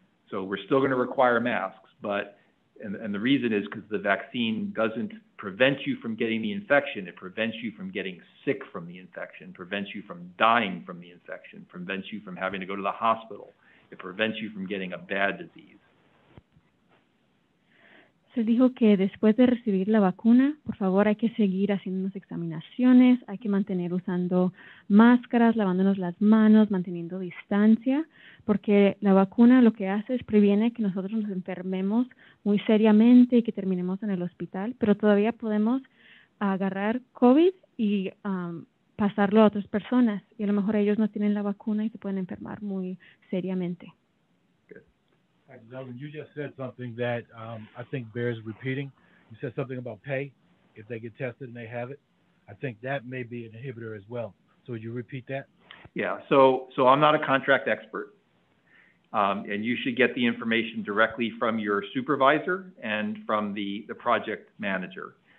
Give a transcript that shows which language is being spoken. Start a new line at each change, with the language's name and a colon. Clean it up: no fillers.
English: So we're still going to require masks. But and the reason is because the vaccine doesn't prevent you from getting the infection. It prevents you from getting sick from the infection, prevents you from dying from the infection, prevents you from having to go to the hospital. It prevents you from getting a bad disease.
Spanish: Se dijo que después de recibir la vacuna, por favor, hay que seguir haciendo las examinaciones, hay que mantener usando máscaras, lavándonos las manos, manteniendo distancia, porque la vacuna lo que hace es previene que nosotros nos enfermemos muy seriamente y que terminemos en el hospital, pero todavía podemos agarrar COVID y pasarlo a otras personas, y a lo mejor ellos no tienen la vacuna y se pueden enfermar muy seriamente.
English: You just said something that I think bears repeating. You said something about pay, if they get tested and they have it. I think that may be an inhibitor as well. So would you repeat that? Yeah, so I'm not a contract expert. And you should get the information directly from your supervisor and from the project manager.